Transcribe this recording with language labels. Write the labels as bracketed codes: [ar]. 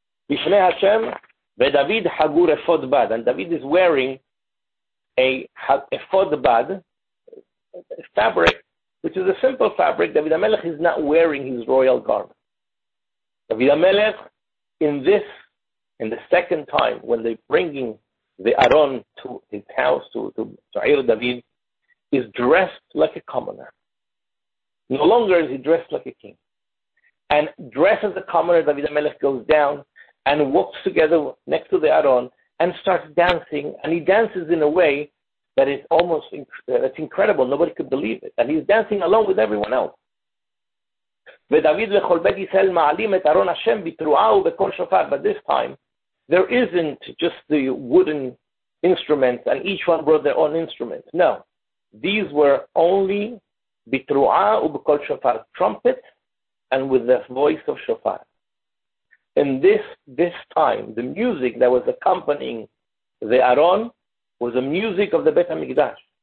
[he] בשני השם, ודוד חגור אפוד בד. [en] And David is wearing a [he] אפוד בד, [en] a fabric, which is a simple fabric. דוד המלך is not wearing his royal garment. דוד המלך, in the second time, when they're bringing the Aaron to his house, to Eir David, is dressed like a commoner. No longer is he dressed like a king. And dressed as a commoner, David HaMelech goes down and walks together next to the Aaron and starts dancing. And he dances in a way that is almost it's incredible. Nobody could believe it. And he's dancing along with everyone else. [he] וְדָוִד לְכֹל בֵּית יִשְׂרָאֵל מַעֲלִים אֶת אָרֹן הַשֶּׁם בִּתְּרֻעָה וּבְקֹל שׁוֹפָר. [en] But this time, there isn't just the wooden instruments, and each one brought their own instruments. No. These were only [he] בִּתְּרֻעָה וּבְקֹל שׁוֹפָר, [en] trumpets, and with the voice of shofar. And this time, the music that was accompanying the Aaron was the music of the Beit HaMikdash.